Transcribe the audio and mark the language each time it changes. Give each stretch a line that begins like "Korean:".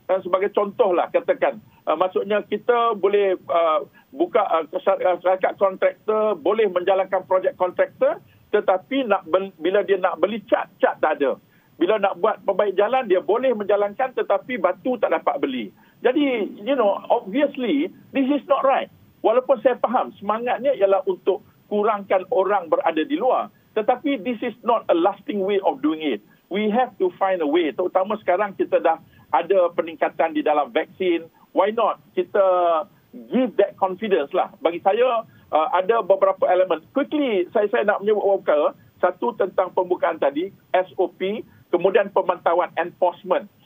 Malay: Dan sebagai contohlah katakan, maksudnya kita boleh buka syarikat kontraktor, boleh menjalankan projek kontraktor, tetapi bila dia nak beli cat tak ada. Bila nak buat perbaik jalan, dia boleh menjalankan tetapi batu tak dapat beli.
English: Jadi, you know, obviously, this is not right.
Malay: Walaupun saya faham, semangatnya ialah untuk kurangkan orang berada di luar.
English: Tetapi this is not a lasting way of doing it. We have to find a way.
Malay: Terutama sekarang kita dah ada peningkatan di dalam vaksin.
English: Why not kita give that confidence lah.
Malay: Bagi saya, ada beberapa elemen. Quickly, saya nak menyebutkan satu tentang pembukaan tadi, SOP, kemudian pemantauan enforcement.